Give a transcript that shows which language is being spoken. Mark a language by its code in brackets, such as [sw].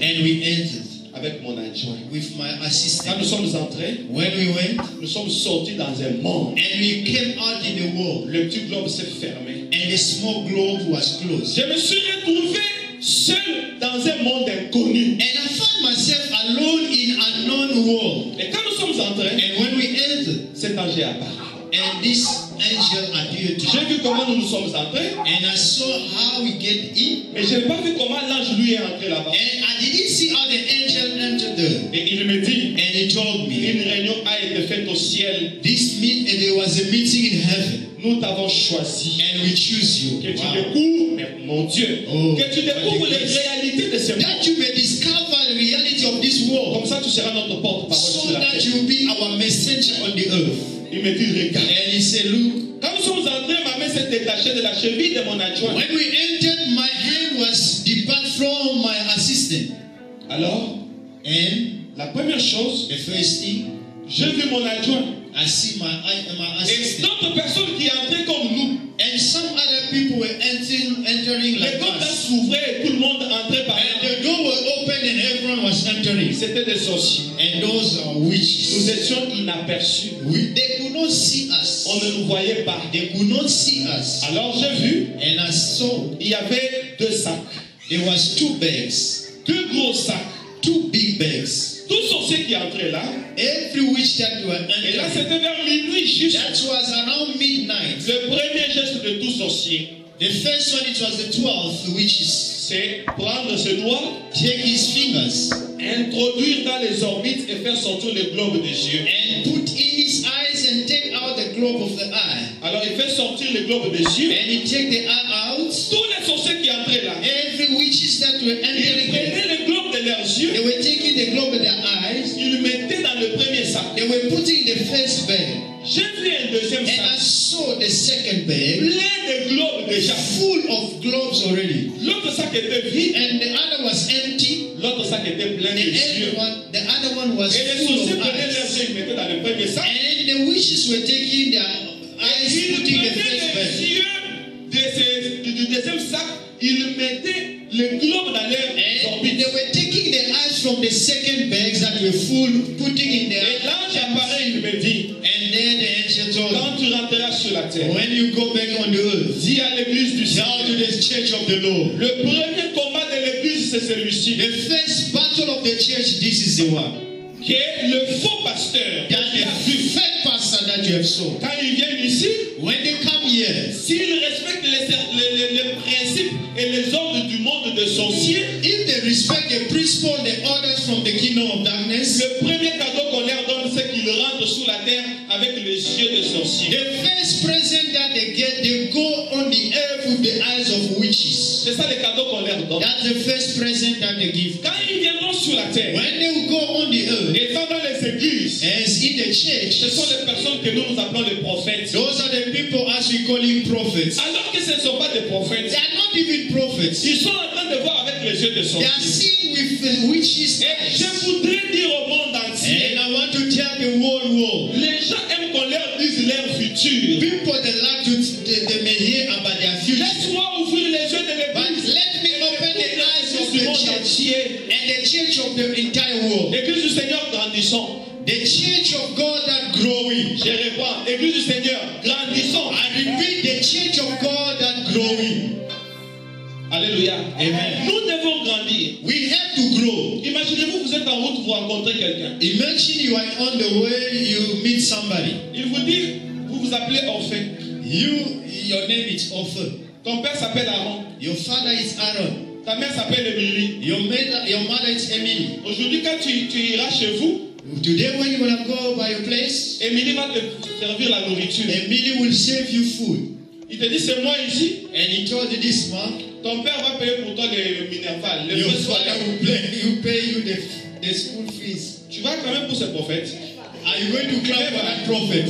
[en] And we entered. [fr] Avec mon adjoint. [en] With my assistant. [fr] Quand nous sommes entrés. [en] When we went. [fr] Nous sommes sortis dans un monde. [en] And we came out in the world. [fr] Le petit globe s'est fermé. [en] And the small globe was closed. [fr] Je me suis retrouvé seul dans un monde inconnu. [en] And I found myself alone in an unknown world. [fr] Et quand nous sommes entrés. [en] And when we entered. [fr] Cet ange est apparu. [en] And this angel appeared. [fr] J'ai vu comment nous sommes entrés. [en] And I saw how we get in. [fr] Mais j'ai pas vu comment l'ange lui est entré là-bas. [en] And I didn't see how the angel entered there. [fr] Et il me dit. [en] And he told me. [fr] Une réunion a été faite au ciel. [en] This meet and there was a meeting in heaven. [fr] Nous t'avons choisi. [en] And we choose you. [fr] Que wow. Tu découvres, mon Dieu. [en] Oh, [fr] que tu découvres les réalités de ce monde. [en] That you may discover the reality of this world. [fr] Comme ça, tu seras notre porte-parole. [en] So that you will be our messenger on the earth. [fr] Il me dit, regarde. [en] And he said, look. [fr] Quand nous sommes entrés, ma main s'est détachée de la cheville de mon adjoint. [en] When we entered, my hand was departed from my assistant. [fr] Alors, [en] and [fr] la première chose, [en] the first thing, [fr] J'ai vu mon adjoint. [en] I see my assistant. [fr] Et d'autres personnes qui entraient comme nous. [en] And some other people were entering like us. [fr] Les portes s'ouvraient et tout le monde entrait par là. [en] And the door was open and everyone was entering. [fr] C'était des sorciers. [en] And those are witches. [fr] Nous étions inaperçus. [en] Oui. They could not see us. [fr] On ne nous voyait pas. [en] They could not see us. [fr] Alors j'ai vu. [en] And I saw. [fr] Il y avait deux sacs. [en] There was two bags. [fr] Deux gros sacs. [en] Two big bags. [fr] Tous sorciers qui entraient là. [en] Every witch that you were entering. [fr] Et là c'était vers minuit juste. [en] That was around midnight. [fr] Le premier geste de tout sorcier. [en] The first one, it was the 12th witches. [fr] C'est prendre ses doigts. [en] Take his fingers. [fr] Introduire dans les orbites et faire sortir le globe des yeux. [en] And put in his eyes and take out the globe of the eye. [fr] Alors il fait sortir le globe des yeux. [en] And he take the eye out. [fr] Tous les sorciers qui entraient là. [en] Every witches that were entering. [fr] Yeux, [en] they were taking the globe of their eyes. [fr] Ils le mettaient dans le premier sac. [en] They were putting the first bag. [fr] J'ai vu un deuxième [en] and [fr] sac. [en] I saw the second bag. [fr] Plein de globes déjà. [en] Full of globes already. [fr] L'autre sac était vide. [en] And the other was empty. [fr] L'autre sac était plein de yeux. [en] The other one was [fr] et [en] full of eyes. [fr] Et les sorciers prenaient leurs yeux, ils mettaient dans le premier sac. [en] And the witches were taking their eyes, [fr] et [en] putting the first [fr] bag. Ils prenaient les yeux du deuxième sac. Ils le mettaient le globe dans leur orbite. [en] They were taking the eyes from the second bags that were full, putting in their. [fr] Et l'ange apparaît, il me dit. [en] And then the angel told. [fr] Quand tu rentreras sur la terre. [en] When you go back on the earth. [fr] Dis à l'église du [en] Seigneur. Tell to the church of the Lord. [fr] Le premier combat de l'église c'est celui-ci. [en] The first battle of the church, this is the one. [fr] Que le faux pasteur. [en] That the fake pastor that you have saw. [fr] Quand ils viennent ici. [en] When they come here. [fr] S'ils respectent les principes et les ordres du monde de sorciers. [en] If they respect the principles, the orders from the kingdom of darkness. [fr] Le premier cadeau qu'on leur donne, c'est qu'ils rentrent sous la terre avec les yeux de sorciers. [en] The first present that they get, they go on the earth with the eyes of witches. [fr] C'est ça le cadeau qu'on leur donne. [en] That's the first present that they give. [fr] Quand ils viendront sur la terre. [en] When they will go on the earth. [fr] Étant dans les églises. [en] As in the church. [fr] Ce sont les personnes que nous appelons les prophètes. [en] Those are the people as we call them prophets. [fr] Alors que ce ne sont pas des prophètes. [en] They are not even prophets. [fr] Ils sont en train de voir avec les yeux de sorciers. [en] They are seeing with the witches. [fr] Et je voudrais dire au monde entier. [en] And I want to tell the world. [fr] Les gens aiment qu'on leur dise leur futur. [en] People they like to hear about their future. [fr] Laisse-moi ouvrir les yeux de l'église. [en] Let me open the eyes of the church and the church of the entire world. [fr] L'église du Seigneur grandissant. [en] The church of God that growing. [fr] Je réponds, l'église du Seigneur grandissant. [en] I repeat, the church of God that growing. [fr] Alléluia. [en] Amen. [fr] Nous devons grandir. [en] We have to grow. [fr] Imaginez-vous, vous êtes en route, vous rencontrez quelqu'un. [en] Imagine you are on the way, you meet somebody. [fr] Il vous dit, vous vous appelez Orphée. [en] Your name is Orphée. [fr] Ton père s'appelle Aaron. [en] Your father is Aaron. [fr] Ta mère s'appelle Emily. [en] Your mother is Emily. [fr] Aujourd'hui, quand tu iras chez vous. [en] Today when you wanna go by your place. [fr] Emily va te servir la nourriture. [en] Emily will serve you food. [fr] Il te dit c'est moi ici. [en] And he told you this man. [fr] Ton père va payer pour toi les minervals. Le [en] your father will pay you the school fees. [fr] Tu vas quand même pour ce prophète. [en] Are you going to clap for that prophet?